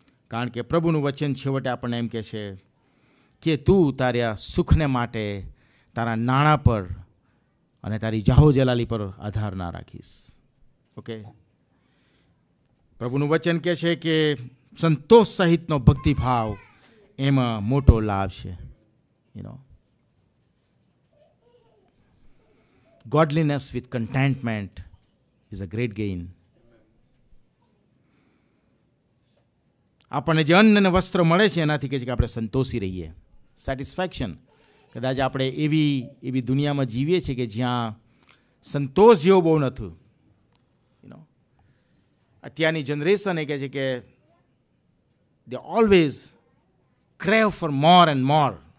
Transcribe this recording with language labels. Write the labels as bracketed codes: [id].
[gu] કારણ કે પ્રભુનું વચન છેવટે આપણને એમ કહે છે કે તું તારા સુખને માટે તારા નાણાં પર અને તારી જાહોજલાલી પર આધાર ના રાખીશ, ઓકે? પ્રભુનું વચન કહે છે કે સંતોષ સહિતનો ભક્તિભાવ એમાં મોટો લાભ છે. [en] you know. Godliness with contentment is a great gain. [gu] આપણને જે અન્ન અને વસ્ત્ર મળે છે એનાથી કહે છે કે આપણે સંતોષી રહીએ. સેટિસ્ફેક્શન. કદાચ આપણે એવી એવી દુનિયામાં જીવીએ છીએ કે જ્યાં સંતોષ જેવો બહુ નથી. [en] you know [gu] અત્યારની જનરેશન એ કહે છે કે [en] They always crave for more and more.